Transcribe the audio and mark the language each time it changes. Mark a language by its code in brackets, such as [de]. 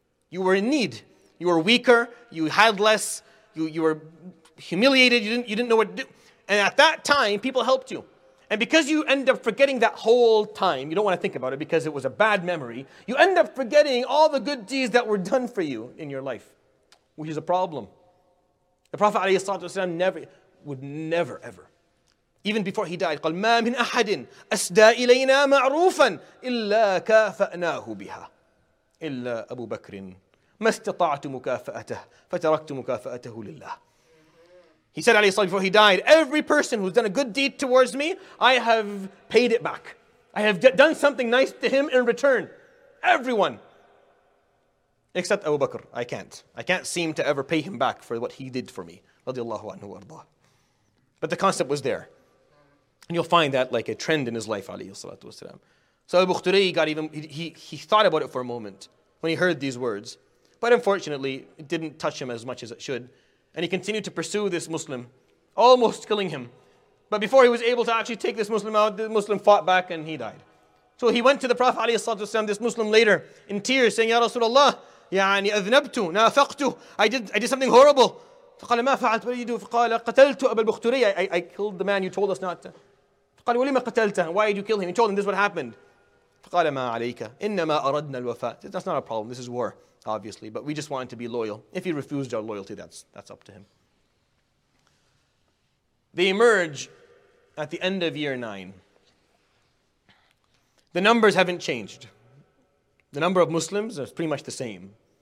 [en] You were in need. You were weaker. You had less. You were humiliated. You didn't know what to do. And at that time, people helped you. And because you end up forgetting that whole time, you don't want to think about it because it was a bad memory, you end up forgetting all the good deeds that were done for you in your life, which is a problem. The Prophet ﷺ never, ever, even before he died, [ar] قَالْ مَا مِنْ أَحَدٍ أَسْدَى إِلَيْنَا مَعْرُوفًا إِلَّا كَافَأْنَاهُ بِهَا إِلَّا أَبُو بَكْرٍ مَا اسْتِطَعْتُ مُكَافَأَتَهُ فَتَرَكْتُ مُكَافَأَتَهُ لِلَّهِ. [en] He said, alayhi salam, before he died, every person who's done a good deed towards me, I have paid it back. I have done something nice to him in return. Everyone. Except Abu Bakr. I can't. I can't seem to ever pay him back for what he did for me. Radiallahu anhu arda. But the concept was there. And you'll find that like a trend in his life, alayhi salatu wasalam. So Abu Khturi got even, he thought about it for a moment when he heard these words. But unfortunately, it didn't touch him as much as it should. And he continued to pursue this Muslim, almost killing him. But before he was able to actually take this Muslim out, the Muslim fought back and he died. So he went to the Prophet ﷺ, this Muslim later, in tears, saying, Ya Rasulullah, [ar] يعني أذنبت نافقت. [en] I did something horrible. [ar] فقال ما فعلت [en] what did you do? [ar] فقال قتلت أبا البختوري. [en] I killed the man you told us not to. [ar] فقال ولما قتلته. [en] Why did you kill him? He told him this is what happened. [ar] فقال ما عليك إنما أردنا الوفاء. [en] That's not a problem. This is war. Obviously, but we just wanted to be loyal. If he refused our loyalty, that's up to him. They emerge at the end of year 9. The numbers haven't changed. The number of Muslims is pretty much the same.